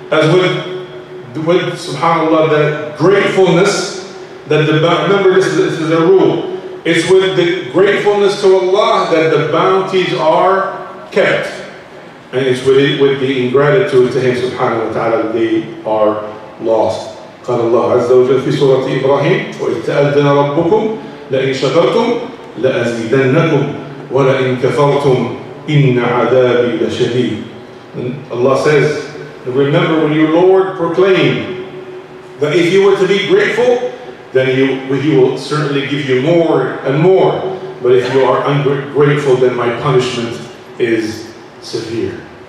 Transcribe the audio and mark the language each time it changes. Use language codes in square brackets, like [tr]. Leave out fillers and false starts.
[en] As with subhanAllah, the gratefulness that the remember this is a rule. It's with the gratefulness to Allah that the bounties are kept. And it's with the ingratitude to Him subhanahu wa ta'ala that they are lost. [ar] قال الله عز وجل في سورة إبراهيم وإذ تأذن ربكم لئن شكرتم لأزيدنكم ولئن كفرتم إن عذابي لشديد. [en] And Allah says, remember when your Lord proclaimed that if you were to be grateful, then He will certainly give you more and more. But if you are ungrateful, then my punishment is severe.